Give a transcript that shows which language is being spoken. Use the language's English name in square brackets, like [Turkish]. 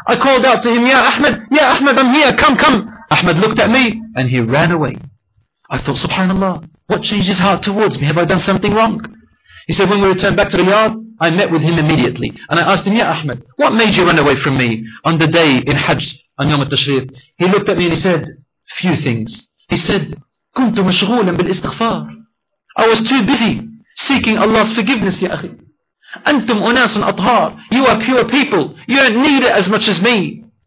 [English] I called out to him, Ya Ahmed, I'm here, come. Ahmed looked at me and he ran away. I thought, SubhanAllah, what changed his heart towards me? Have I done something wrong? He said, when we returned back to the yard, I met with him immediately. And I asked him, Ya Ahmed, what made you run away from me on the day in Hajj? He looked at me and he said, few things. [Arabic] He said, كنت مشغولا بالاستغفار. [English] I was too busy seeking Allah's forgiveness, [Arabic] يا أخي. أنتم أناس أطهار. [English] You are pure people. You don't need it as much as me.